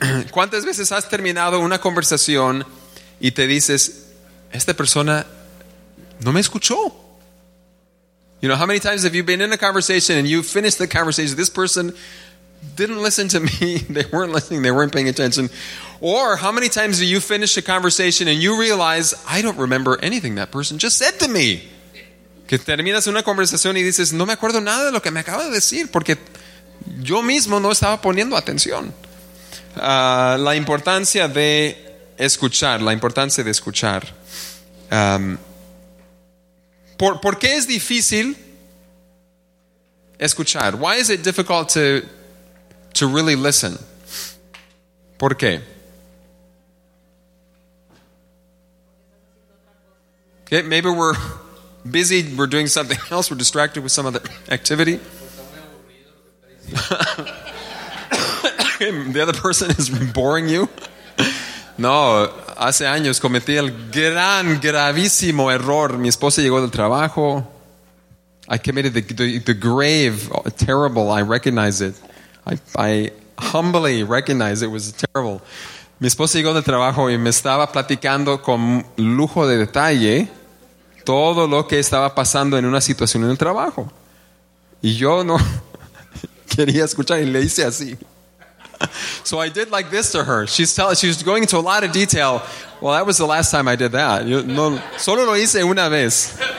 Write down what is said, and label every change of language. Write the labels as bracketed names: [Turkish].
[Spanish] ¿Cuántas veces has terminado una conversación y te dices, esta persona no me escuchó? [English] You know, how many times have you been in a conversation and you finished the conversation, this person didn't listen to me, they weren't listening, they weren't paying attention? Or how many times do you finish a conversation and you realize, I don't remember anything that person just said to me? [Spanish] Que terminas una conversación y dices, no me acuerdo nada de lo que me acaba de decir porque yo mismo no estaba poniendo atención. La importancia de escuchar, la importancia de escuchar. ¿Por qué es difícil escuchar? [English] Why is it difficult to really listen? [Spanish] ¿Por qué? [English] Okay, maybe we're busy, we're doing something else, we're distracted with some other activity. The other person is boring you? [Spanish] No, hace años cometí el gran, gravísimo error. Mi esposa llegó del trabajo. [English] I committed the grave, terrible, I recognize it. I humbly recognize it was terrible. [Spanish] Mi esposa llegó del trabajo y me estaba platicando con lujo de detalle todo lo que estaba pasando en una situación en el trabajo. Y yo no quería escuchar y le hice así. [English] So I did like this to her. She's going into a lot of detail. Well, that was the last time I did that. [Spanish] Yo, no, solo lo hice una vez.